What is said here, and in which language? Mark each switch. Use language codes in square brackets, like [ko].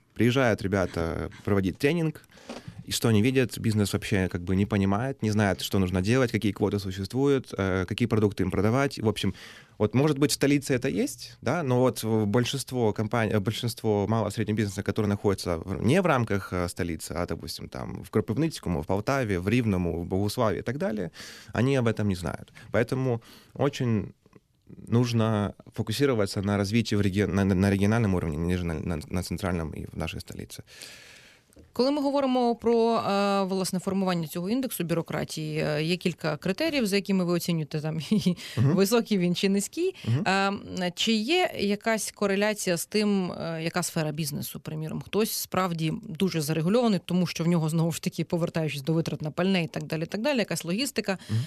[uk] Приїжджають ребята проводити тренінг, і що вони бачать, бізнес взагалі як би не розуміє, не знає, що потрібно робити, які квоти існують, які продукти їм продавати. В общем, от, може бути, в столиці це є, да? Но от більшість компаній, більшість малого середнього бізнесу, який знаходиться не в рамках столиці, а, допустим, там в Кропивницькому, в Полтаві, в Рівному, в Богуславі і так далі, вони [ru] об этом [uk] не знають. [ru] Поэтому очень нужно фокусироваться на развитии в на региональном уровне, ніж на центральном и в нашей столице. [uk] Коли ми говоримо про власне формування цього індексу бюрократії, є кілька критеріїв, за якими ви оцінюєте там, високий він чи низький. Чи є якась кореляція з тим, яка сфера бізнесу, приміром? Хтось справді дуже зарегульований, тому що в нього, знову ж таки, повертаючись до витрат на пальне і так далі, якась логістика.